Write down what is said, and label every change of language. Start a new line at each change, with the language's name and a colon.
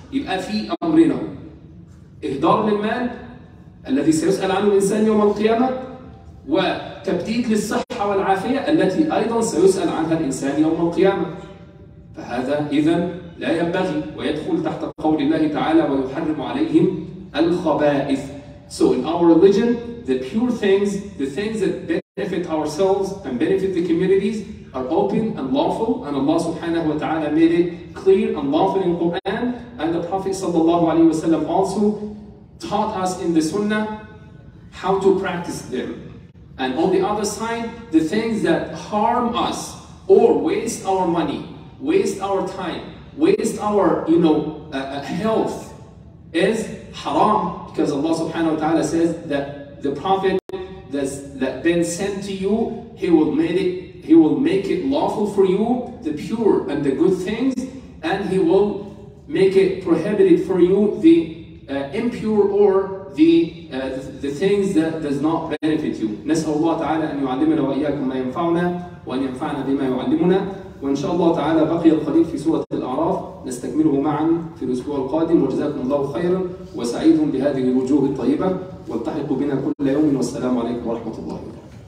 Arabic: يبقى في أمرنا إهدار للمال الذي سيسأل عنه الإنسان يوم القيامة، وتبديد للصحة والعافية التي أيضا سيسأل عنها الإنسان يوم القيامة. فهذا إذن لا ينبغي، ويدخل تحت قول الله تعالى ويحرم عليهم الخبائث.
English: So in our religion, the pure things, the things that benefit ourselves and benefit the communities are open and lawful, and Allah subhanahu wa ta'ala made it clear and lawful in Quran, and the Prophet sallallahu alayhi wa sallam also taught us in the sunnah how to practice them. And on the other side, the things that harm us or waste our money, waste our time, waste our, you know, health is haram. Because Allah subhanahu wa ta'ala says that the Prophet that been sent to you, he will make it lawful for you, the pure and the good things, and he will make it prohibited for you, the impure or the things that does not benefit you.
Arabic: نسأل الله تعالى أن يعلمنا وإياكم ما ينفعنا وأن ينفعنا بما يعلمنا. وإن شاء الله تعالى بقي القليل في سورة الأعراف نستكمله معا في الأسبوع القادم. وجزاكم الله خيرا وسعيد بهذه الوجوه الطيبة، والتحقوا بنا كل يوم، والسلام عليكم ورحمة الله وبركاته.